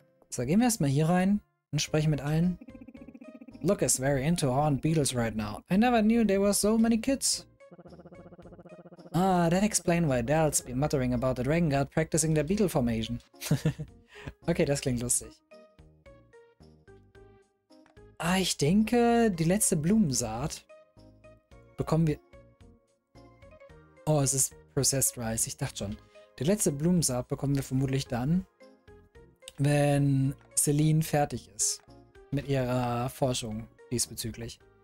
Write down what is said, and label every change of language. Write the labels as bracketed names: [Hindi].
[German] So, gehen wir erstmal hier rein und sprechen mit allen. [English] Look is very into horned beetles right now. I never knew there were so many kids. Ah, that explains why Dell's been muttering about the Dragon Guard practicing their beetle formation. [German] Okay, das klingt lustig. Ah, ich denke, die letzte Blumensaat bekommen wir... Oh, es ist Processed Rice, ich dachte schon. Die letzte Blumensaat bekommen wir vermutlich dann... wenn Celine fertig ist mit ihrer Forschung diesbezüglich.